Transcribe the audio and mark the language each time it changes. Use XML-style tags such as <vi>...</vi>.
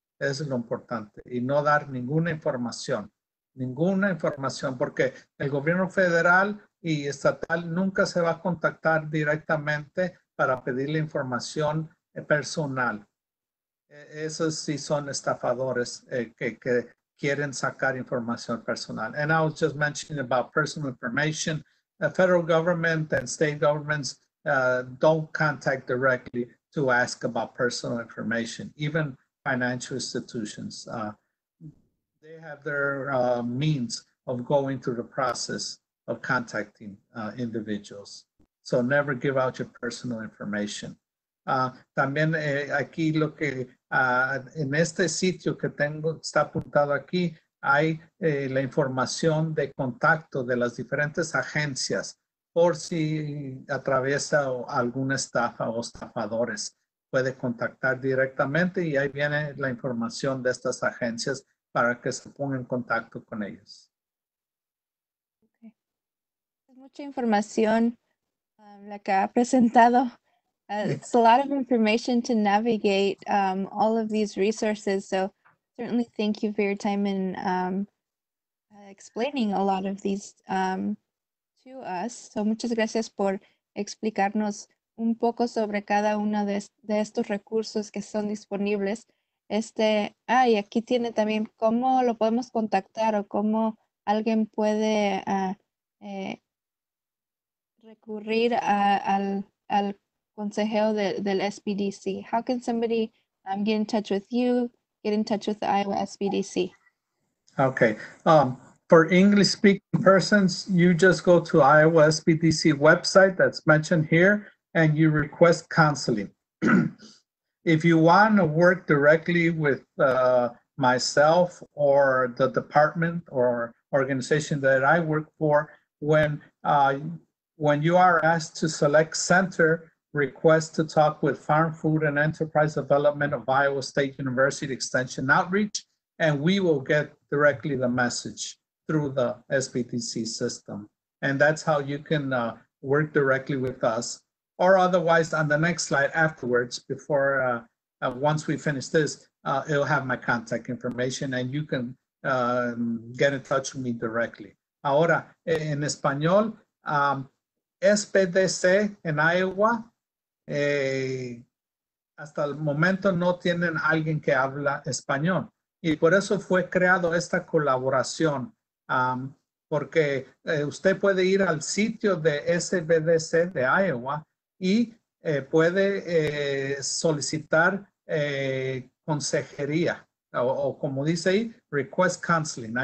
<es>Es lo importante. Y no dar ninguna información. Ninguna información. Porque el gobierno federal y estatal nunca se va a contactar directamente para pedirle información personal. Esos sí son estafadores que quieren sacar información personal.</es> <en>And I was just mentioning about personal information. The federal government and state governments don't contact directly to ask about personal information, even financial institutions. They have their means of going through the process of contacting individuals. So never give out your personal information.</en> <es>También aquí lo que, en este sitio que tengo, está apuntado aquí, hay la información de contacto de las diferentes agencias por si atraviesa alguna estafa o estafadores. Puede contactar directamente y ahí viene la información de estas agencias para que se ponga en contacto con ellos. Okay. Mucha información. La que ha presentado.</es> <en>It's a lot of information to navigate all of these resources. So certainly thank you for your time in explaining a lot of these to us.</en> <es>So muchas gracias por explicarnos un poco sobre cada uno de estos recursos que son disponibles. Y aquí tiene también cómo lo podemos contactar o cómo alguien puede recurrir al consejo del SBDC.</es> <en>How can somebody get in touch with you, get in touch with the Iowa SBDC? Okay. For English-speaking persons, you just go to Iowa SBDC website that's mentioned here, and you request counseling. If you want to work directly with myself or the department or organization that I work for, when you are asked to select center, request to talk with Farm Food and Enterprise Development of Iowa State University Extension Outreach, and we will get directly the message through the SBDC system. And that's how you can work directly with us. Or otherwise, on the next slide afterwards, before once we finish this, it'll have my contact information and you can get in touch with me directly.</en> <es>Ahora, en español, SBDC en Iowa, hasta el momento no tienen alguien que habla español. Y por eso fue creado esta colaboración, porque usted puede ir al sitio de SBDC de Iowa y puede solicitar consejería, o como dice ahí,</es> <en>request counseling.</en>